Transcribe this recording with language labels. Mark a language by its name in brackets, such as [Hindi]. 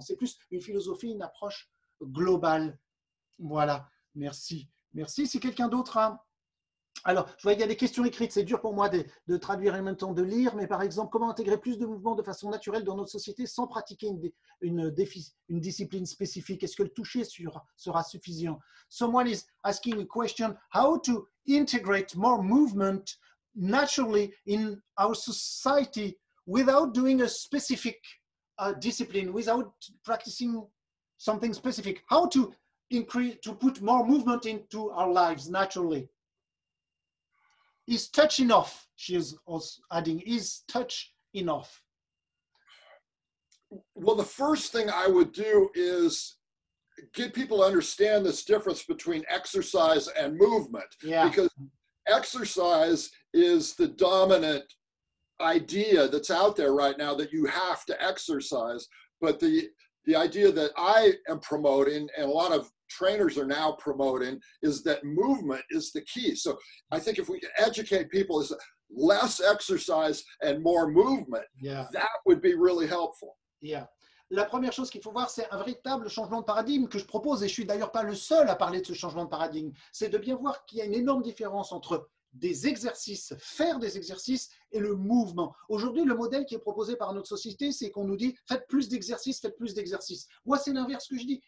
[French] C'est plus une philosophie, une approche globale. Voilà, merci. Si quelqu'un d'autre a... Alors, je vois qu'il y a des questions écrites. C'est dur pour moi de traduire et en même temps de lire. Mais par exemple, comment intégrer plus de mouvements de façon naturelle dans notre société sans pratiquer une discipline spécifique? Est-ce que le toucher sera suffisant? [English] Someone is asking a question. How to integrate more movement naturally in our society without doing a specific discipline, without practicing something specific? How to increase, to put more movement into our lives naturally? Is touch enough? She is also adding, is touch enough? Well, the first thing I would do is get people to understand this difference between exercise and movement. Yeah. Because exercise is the dominant idea that's out there right now, that you have to exercise. But the idea that I am promoting and a lot of trainers are now promoting is that movement is the key. So I think if we can educate people is less exercise and more movement, yeah, that would be really helpful. Yeah. [French] La première chose qu'il faut voir, c'est un véritable changement de paradigme que je propose, et je suis d'ailleurs pas le seul à parler de ce changement de paradigme, c'est de bien voir qu'il y a une énorme différence entre des exercices, faire des exercices et le mouvement. Aujourd'hui, le modèle qui est proposé par notre société, c'est qu'on nous dit « faites plus d'exercices, faites plus d'exercices ». Moi, c'est l'inverse que je dis.